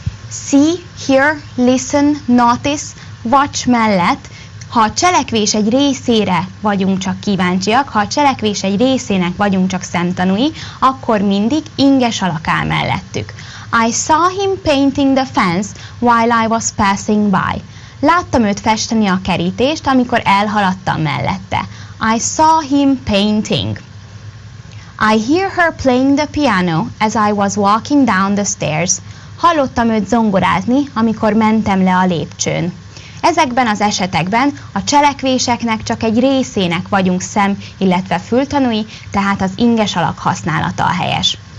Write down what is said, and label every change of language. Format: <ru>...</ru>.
<en>See, hear, listen, notice, watch</en> <hu>mellett, ha a cselekvés egy részére vagyunk csak kíváncsiak, ha a cselekvés egy részének vagyunk csak szemtanúi, akkor mindig inges alak áll mellettük.</hu> <en>I saw him painting the fence while I was passing by.</en> <hu>Láttam őt festeni a kerítést, amikor elhaladtam mellette.</hu> <en>I saw him painting. I hear her playing the piano as I was walking down the stairs.</en> <hu>Hallottam őt zongorázni, amikor mentem le a lépcsőn. Ezekben az esetekben a cselekvéseknek csak egy részének vagyunk szem, illetve fültanúi, tehát az inges alak használata a helyes.</hu>